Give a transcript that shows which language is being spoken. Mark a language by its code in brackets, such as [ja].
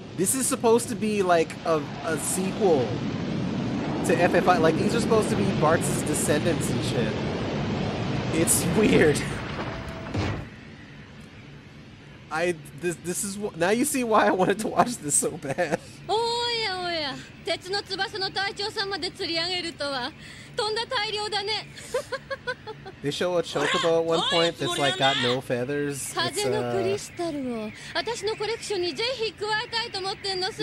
[en] This is supposed to be like a sequel. To FFI, like, these are supposed to be Bart's descendants and shit. It's weird. This is what. Now you see why I wanted to watch this so bad. Oh, yeah, oh, yeah. [ja] 鉄の翼の隊長さんまで釣り上げるとは、とんだ大漁だね。 [en] They show a chocobo at one point that's like got no feathers. [ja] 風のクリスタルを私のコレクションにぜひ加えたいと思ってんのさ。